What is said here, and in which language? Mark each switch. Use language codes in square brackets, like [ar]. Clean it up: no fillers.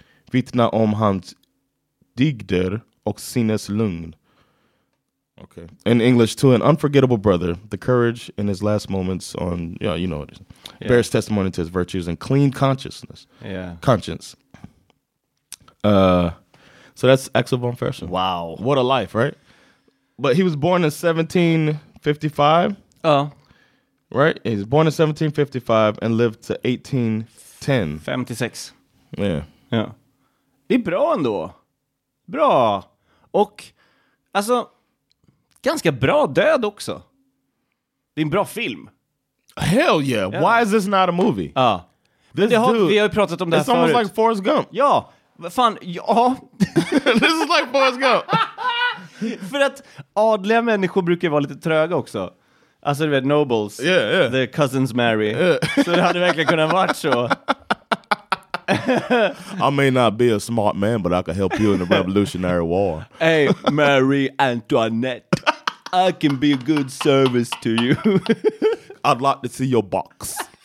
[sv] Vittna om hans digder och sinnes lugn." [en] Okay. In English, to an unforgettable brother, the courage in his last moments on, yeah, you know what it is. Yeah. Bears testimony to his virtues and clean consciousness. Yeah. Conscience. So that's Axel von Fersen. Wow. What a life, right? But he was born in 1755. Oh. Right? He was born in 1755 and lived to 1810. 56. Yeah. Yeah. [sv] Det är bra ändå. Bra. Och, alltså, ganska bra död också. Det är en bra film. [en] Hell yeah. Yeah. Why is this not a movie? [sv] Ja. [en] This dude, [sv] vi har ju pratat om det här förut. [en] It's almost like Forrest Gump. [sv] Ja. Fan, ja. [en] This is like Forrest Gump. [sv] För att adliga människor brukar vara lite tröga också. Alltså, du vet, nobles. [en] Yeah, yeah. The cousins marry. Yeah. [sv] Så det hade verkligen kunnat vara så. [en] I may not be a smart man, but I can help you in the Revolutionary War. Hey, Marie Antoinette, I can be a good service to you. I'd like to see your box.